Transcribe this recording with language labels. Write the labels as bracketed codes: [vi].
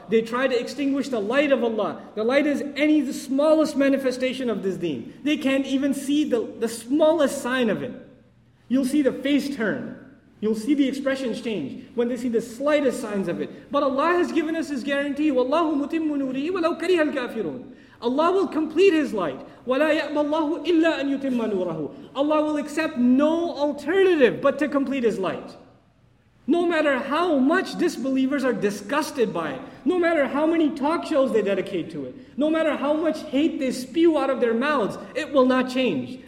[en] They try to extinguish the light of Allah. The light is any the smallest manifestation of this deen. They can't even see the smallest sign of it. You'll see the face turn. You'll see the expressions change when they see the slightest signs of it. But Allah has given us His guarantee. [ar] وَاللَّهُ مُتِمُّ نُورِهِ وَلَوْ كَرِهَ الْكَافِرُونَ [en] Allah will complete His light. [ar] وَلَا يَأْبَى اللَّهُ إِلَّا أَنْ يُتِمَّ نُورَهُ [en] Allah will accept no alternative but to complete His light. No matter how much disbelievers are disgusted by it, no matter how many talk shows they dedicate to it, no matter how much hate they spew out of their mouths, it will not change.